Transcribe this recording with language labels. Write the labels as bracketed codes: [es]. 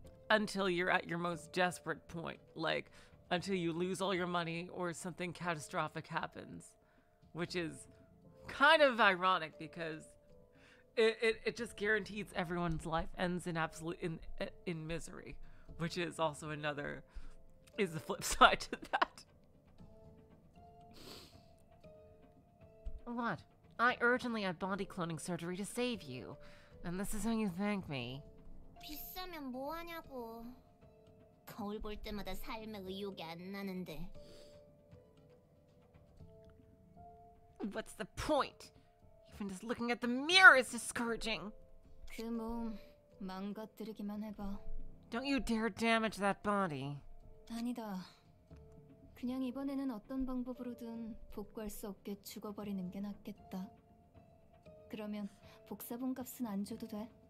[en] Until you're at your most desperate point, like until you lose all your money or something catastrophic happens, which is kind of ironic because it just guarantees everyone's life ends in absolute in misery, which is also another is the flip side to that. What? I urgently had body cloning surgery to save you, and this is how you thank me. [ko] 비싸면 뭐 하냐고. 거울 볼 때마다 삶의 의욕이 안 나는데. [en] What's the point? Even just looking at the mirror is discouraging. [ko] 그 몸 망가뜨리기만 해봐. [en] Don't you dare damage that body. [ko] 아니다. 그냥 이번에는 어떤 방법으로든 복구할 수 없게 죽어버리는 게 낫겠다. 그러면 복사본 값은 안 줘도 돼.